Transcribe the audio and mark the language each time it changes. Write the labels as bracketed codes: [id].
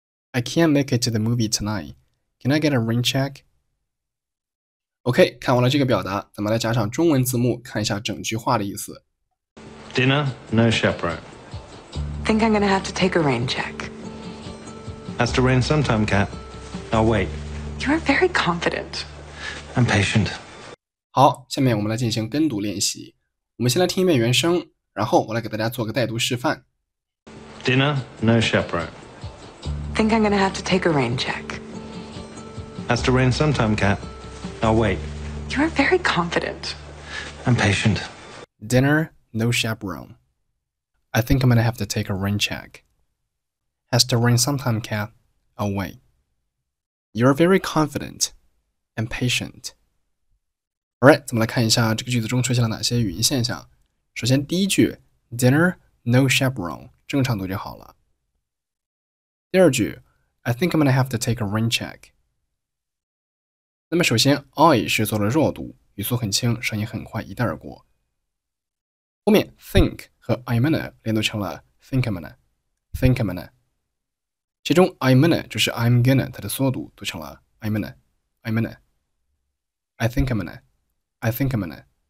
[en] I can't make it to the movie tonight. Can I get a rain check? [zh] OK, 看完了这个表达咱们来加上中文字幕看一下整句话的意思。 [en] Dinner, no chaperone. Think I'm gonna have to take a rain check. Has to rain sometime, Kat. I'll wait. You're very confident. I'm patient. [zh] 好，下面我们来进行跟读练习。我们先来听一遍原声，然后我来给大家做个带读示范。 [en] Dinner, no chaperone. Think I'm gonna have to take a rain check. Has to rain sometime, Kat. I'll wait. You're very confident. I'm patient. Dinner. No chaperone. I think I'm gonna have to take a rain check. Has to rain sometime, Kat. I'll wait. You're very confident and patient. Alright, [zh] 咱们来看一下这个句子中出现了哪些语音现象。首先第一句 [en] Dinner, no chaperone, [zh] 正常读就好了。第二句 [en] I think I'm gonna have to take a rain check. [zh] 那么首先 I 是做了弱读，语速很轻，声音很快，一带而过。后面 [en] think [zh] 和 [en] I'm gonna [zh] 连读成了 [en] think I'm gonna, think I'm gonna. [zh] 其中 [en] I'm gonna [zh] 就是 [en] I'm gonna [zh] 它的缩读读成了 [en] I'm gonna, I'm gonna. I think I'm gonna, I think I'm gonna.